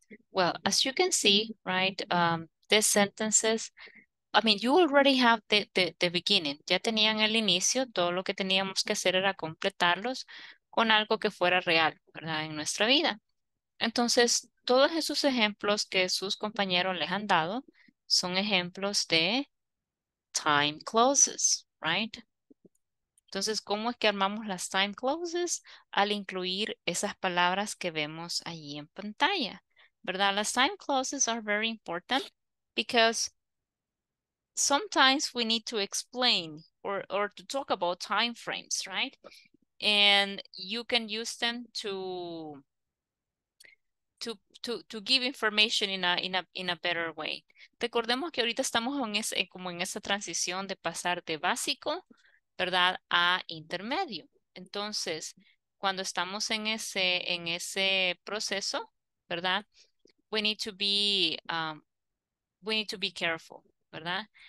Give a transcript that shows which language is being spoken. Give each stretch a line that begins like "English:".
English: Well, as you can see, right, these sentences, I mean, you already have the beginning.
Spanish: Ya tenían el inicio, todo lo que teníamos que hacer era completarlos con algo que fuera real, ¿verdad? En nuestra vida. Entonces, todos esos ejemplos que sus compañeros les han dado son ejemplos de time clauses, right? Entonces, ¿cómo es que armamos las time clauses? Al incluir esas palabras que vemos allí en pantalla, ¿verdad?
English: Las time clauses are very important because sometimes we need to explain or to talk about time frames, right? And you can use them to give information in a better way.
Spanish: Recordemos que ahorita estamos en esa transición de pasar de básico, ¿verdad?, a intermedio. Entonces, cuando estamos en ese proceso, ¿verdad?,
English: we need to be careful,
Spanish: ¿verdad?